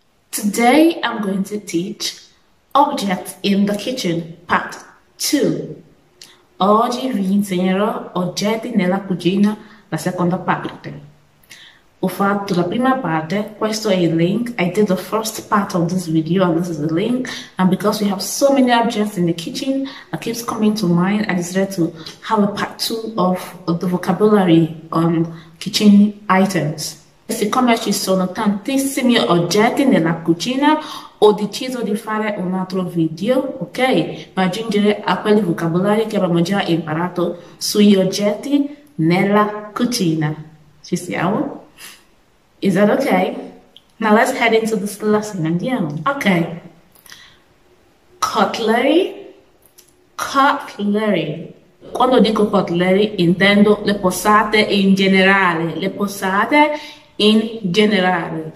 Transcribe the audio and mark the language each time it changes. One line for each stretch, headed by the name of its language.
English: Today I'm going to teach Objects in the Kitchen, Part 2.
Italian: Oggi vi insegnerò Oggetti nella cucina, la seconda parte. Ho fatto la prima parte, questo è il link.
English: I did the first part of this video and this is the link. And because we have so many objects in the kitchen, it keeps coming to mind, I decided to have a part two of the vocabulary on kitchen items.
Italian: Siccome ci sono tantissimi oggetti nella cucina, ho deciso di fare un altro video, ok? Per aggiungere a quelli vocabolari che abbiamo già imparato sugli oggetti nella cucina. Ci siamo?
English: Is that okay? Now let's head into this lesson and yeah. Okay. Cutlery.
Italian: Cutlery. Quando dico cutlery, intendo le posate in generale. Le posate in generale.